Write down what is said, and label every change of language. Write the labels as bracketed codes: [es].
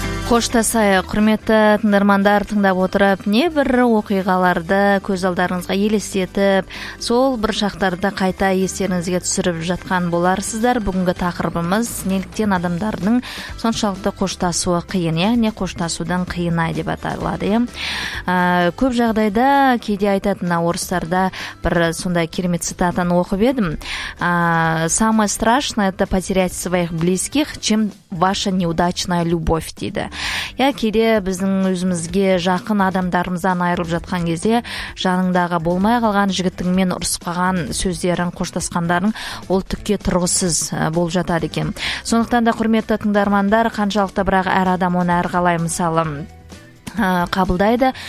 [kk] Қоштасай, құрметті тыңдармандар, тыңдап отырып, не бір оқиғаларды көз алдарыңызға елестетіп, сол бір шақтарды қайта естеріңізге түсіріп жатқан боларсыздар. Бүгінгі тақырыбымыз неліктен адамдардың соншалықты қоштасуы қиын, яғни қоштасудан қиын ай деп аталады. Көп жағдайда кейде айтатын орыстарда бір сондай керемет цитатаны оқып едім. [ru] Самое страшное это потерять своих близких, чем ваша неудачная любовь [kk] дейді. Я кейде біздің өзімізге жақын адамдарымыздан айырылып жатқан кезде жаныңдағы болмай қалған жігітіңмен ұрысып қалған сөздерің, қоштасқандарың ол түкке тұрғысыз болып жатады екен. Сондықтан да құрметті тыңдармандар, қаншалықты бірақ әр адам оны әрқалай мысалы қабылдайды.